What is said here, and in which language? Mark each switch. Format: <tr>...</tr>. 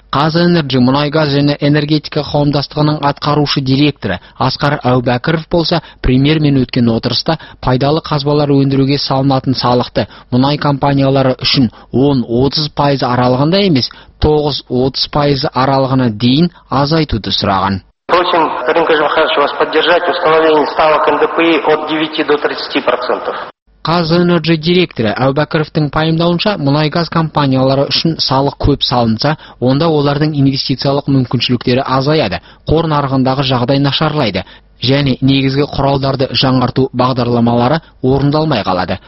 <kk>Қазэнерджи мұнай-газ және энергетика қауымдастығының атқарушы директоры Асқар Әубәкіров болса, премьермен өткен отырыста пайдалы қазбалар өндіруге салынатын салықты мұнай компаниялары үшін 10-30% аралығында емес, 9-30% аралығына дейін азайтуды сұраған.</kk> <ru>Просим Карим Кажимхановича вас поддержать установление ставок НДПИ от 9 до 30%.</ru> <kk>КазЭнерджи директоры Әубәкіровтың пайымдауынша, мұнай газ компаниялары үшін салық көп салынса, онда олардың инвестициялық мүмкіншіліктері азаяды, қор нарығындағы жағдай нашарлайды. Және негізгі құралдарды жаңғырту бағдарламалары орындалмай қалады.</kk>